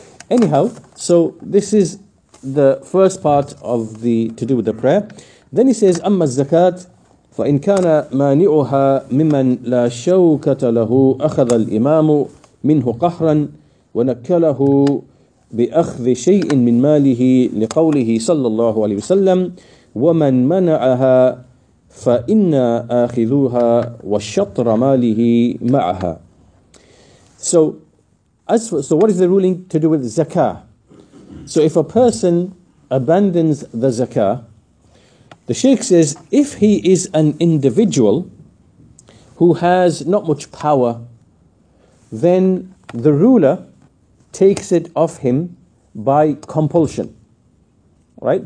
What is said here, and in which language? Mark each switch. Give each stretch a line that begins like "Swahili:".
English: Anyhow, so this is the first part of the to do with the prayer. Then he says,
Arabic: "Amma zakat, فإن كان مانعها ممن لا شوكة له أخذ الإمام منه قهرا ونكله بأخذ شيء من ماله لقوله صلى الله عليه وسلم ومن منعها فإن آخذوها والشطر ماله معها."
English: So what is the ruling to do with zakah? So if a person abandons the zakah, the Sheikh says, if he is an individual who has not much power, then the ruler takes it off him by compulsion, right?